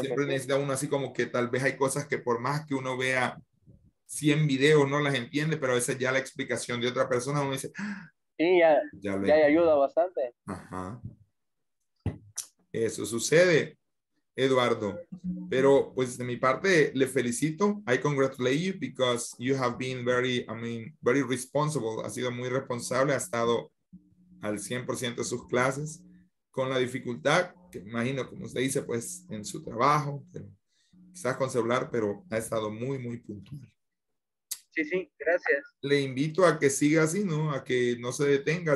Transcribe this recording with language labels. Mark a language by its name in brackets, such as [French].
[Spanish] Siempre necesita uno así como que tal vez hay cosas que por más que uno vea 100 videos no las entiende, pero a veces ya la explicación de otra persona uno dice. Sí, ya ayuda bastante. Ajá. Eso sucede. Eduardo, pero pues de mi parte le felicito. [English] I congratulate you because you have been very responsible. [Spanish] Ha sido muy responsable, ha estado al 100% de sus clases con la dificultad, que imagino, como usted dice, pues en su trabajo, pero quizás con celular, pero ha estado muy, muy puntual. Sí, sí, gracias. Le invito a que siga así, ¿no? A que no se detenga.